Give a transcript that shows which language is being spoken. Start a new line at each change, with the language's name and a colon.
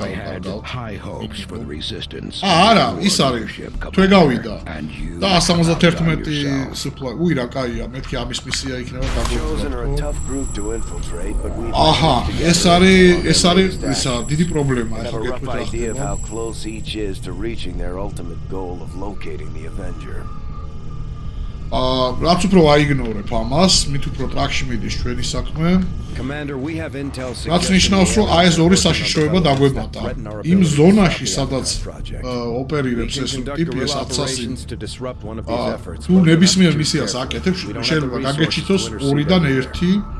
Georgian: დავაკარგავთ. არა, ის არის, თვე გავიდა. და 171 supply. უი, რა კაია, მეთქი ამის მისია იქნება დაგვიწყოთ. აჰა, ეს არის ისა, დიდი პრობლემა, ახლა გეტყვით ახლა.
English: Idea of how close each is to reaching their ultimate goal of locating the Avenger.
Georgian: რაც უფრო აიგნორებ ამას, მით უფრო ტრაკში მიდის ჩვენი საქმე. რაც ნიშნავს, რომ აი ეს ორი საშიშროება დაგვებატა. იმ ზონაში, სადაც ოპერირებს ეს ტიპი, ეს ათასი. თუ ნებისმიერ მისიას აკეთებს, შეიძლება გაგეჩიტოს 2-დან 1.